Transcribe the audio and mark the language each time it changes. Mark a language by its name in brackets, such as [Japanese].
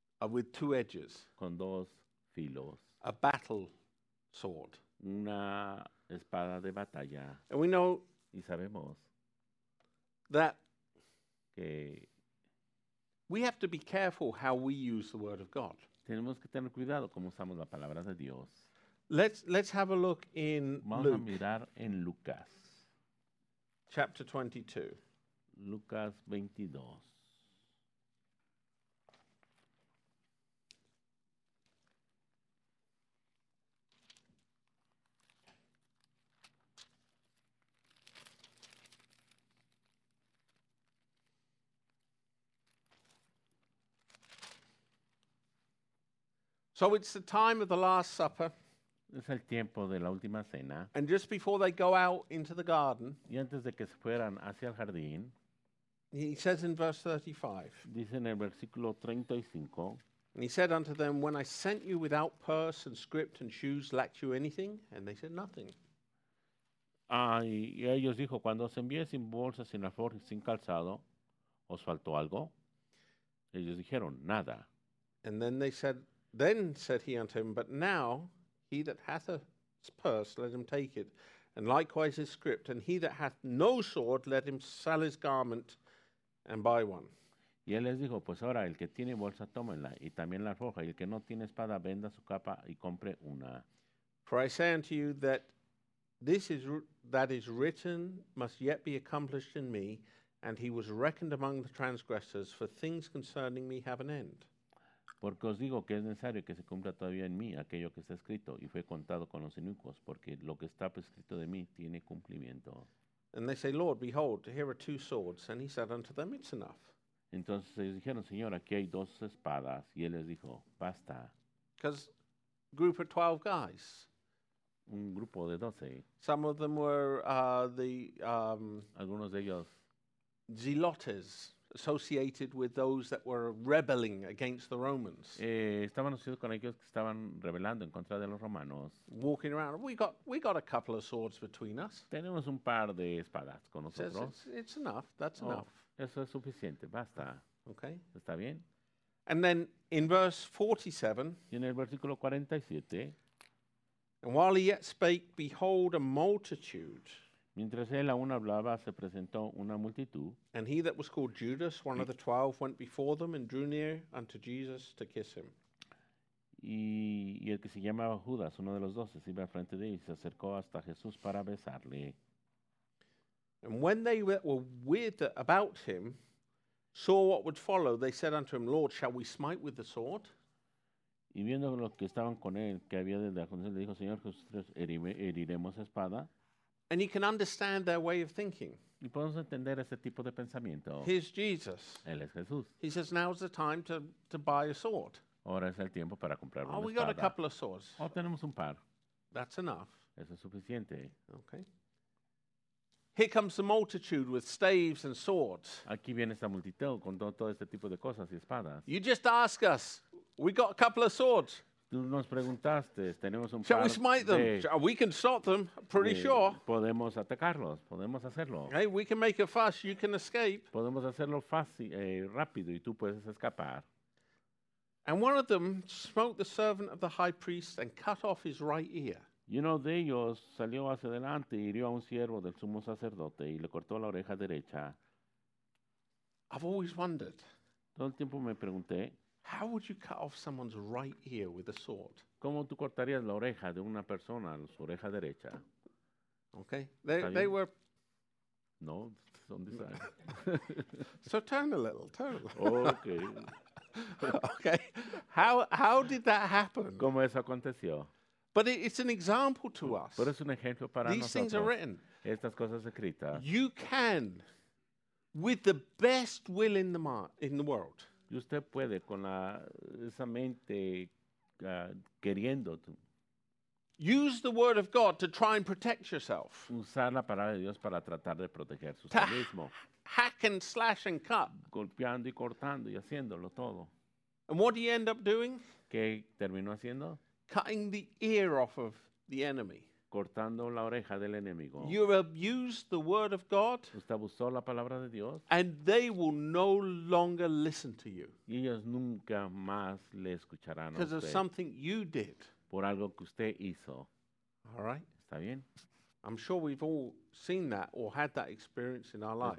[English] with two edges, [Spanish] con dos filos, [English] a battle sword, [Spanish] una espada de batalla. [English] And we know [Spanish] y sabemos [English] that [Spanish] que [English] we have to be careful how we use the word of God. [Spanish] Tenemos que tener cuidado cómo usamos la palabra de Dios. [English] Let's have a look in [Spanish] Vamos [English] Luke. [Spanish] A mirar en Lucas. [English] Chapter 22. [Spanish] Lucas 22. [English] Verse So it's the time of the Last Supper. [Spanish] Es el tiempo de la última cena. [English] And just before they go out into the garden, [Spanish] y antes de que se fueran hacia el jardín, [English] he says in verse 35, [Spanish] dice en el versículo 35, [English] and he said unto them, when I sent you without purse and script and shoes, lacked you anything? And they said, nothing. [Spanish] Y ellos dijo, cuando os envié sin bolsa, sin alforja, sin calzado, ¿os faltó algo? Ellos dijeron, nada. [English] And then they said, then said he unto him, but now he that hath a purse, let him take it, and likewise his script, and he that hath no sword, let him sell his garment and buy one. [Spanish] Y él les dijo, pues ahora el que tiene bolsa, tómenla, y también la alforja, y el que no tiene espada, venda su capa y compre una. [English] For I say unto you that this is that is written must yet be accomplished in me, and he was reckoned among the transgressors, for things concerning me have an end. [Spanish] Porque os digo que es necesario que se cumpla todavía en mí aquello que está escrito, y fue contado con los inicuos, porque lo que está escrito de mí tiene cumplimiento. [English] And they say, Lord, behold, here are two swords. And he said unto them, it's enough. [Spanish] Entonces ellos dijeron, Señor, aquí hay dos espadas. Y él les dijo, basta. [English] Because group of 12 guys. [Spanish] Un grupo de 12. [English] Some of them were [Spanish] algunos de ellos. [English] Zealots, associated with those that were rebelling against the Romans. [Spanish] Estaban asociados con aquellos que estaban rebelando en contra de los romanos. [English] Walking around, we got a couple of swords between us. [Spanish] Tenemos un par de espadas con nosotros. [English] It's enough. That's enough. [Spanish] Eso es suficiente. Basta. [English] Okay. [Spanish] Está bien. [English] And then in verse 47. [Spanish] Y en el versículo 47. [English] And while he yet spake, behold, a multitude. [Spanish] Mientras él aún hablaba, se presentó una multitud. [English] And he that was called Judas, one of the 12, went before them and drew near unto Jesus to kiss him. [Spanish] Y el que se llamaba Judas, uno de los 12, iba al frente de él y se acercó hasta Jesús para besarle. [English] And when they were with about him, saw what would follow, they said unto him, Lord, shall we smite with the sword? [Spanish] Y viendo los que estaban con él, que había desde la condición, le dijo, Señor Jesús, heriremos espada. [English] And you can understand their way of thinking. [Spanish] Y podemos entender ese tipo de pensamiento. [English] Here's Jesus. [Spanish] Él es Jesús. [English] He says, now's the time to buy a sword. [Spanish] Ahora es el tiempo para comprar una espada. [English] Oh, we got a couple of swords. [Spanish] Oh, tenemos un par. [English] That's enough. [Spanish] Eso es suficiente. [English] Okay. Here comes the multitude with staves and swords. [Spanish] Aquí viene esta multitud con todo este tipo de cosas y espadas. [English] You just ask us. We got a couple of swords. [Spanish] Tú nos preguntaste, tenemos un [English] shall [Spanish] par [English] we smite them? We can sort them, pretty sure. [Spanish] Podemos atacarlos, podemos hacerlo. [English] Hey, we can make a fuss, you can escape. [Spanish] Podemos hacerlo fácil, rápido, y tú puedes escapar. [English] And one of them smote the servant of the high priest and cut off his right ear. [Spanish] Y uno de ellos salió hacia adelante y hirió a un siervo del sumo sacerdote y le cortó la oreja derecha. [English] I've always wondered. [Spanish] Todo el tiempo me pregunté. [English] How would you cut off someone's right ear with a sword? [Spanish] ¿Cómo tú cortarías la oreja de una persona, su oreja derecha? [English] Okay. They were... No, it's on this side. So turn a little. Okay. Okay. How did that happen? [Spanish] ¿Cómo eso aconteció? [English] But it's an example to us. [Spanish] Pero es un ejemplo para [English] these [Spanish] nosotros. [English] Things are written. [Spanish] Estas cosas escritas. [English] You can, with the best will in the world... [Spanish] Y usted puede con la, esa mente queriendo. [English] Use the word of God to try and protect yourself. [Spanish] Usar la palabra de Dios para tratar de proteger su mismo. [English] Hack and slash and cut. [Spanish] Golpeando y cortando y haciéndolo todo. [English] And what do you end up doing? [Spanish] ¿Qué terminó haciendo? [English] Cutting the ear off of the enemy. [Spanish] Cortando la oreja del enemigo. [English] You abuse the word of God. [Spanish] Usted abusó la palabra de Dios. [English] And they will no longer listen to you. [Spanish] Y ellos nunca más le escucharán a usted. [English] Because of something you did. [Spanish] Por algo que usted hizo. [English] All right. [Spanish] ¿Está bien? [English] I'm sure we've all seen that or had that experience in our life.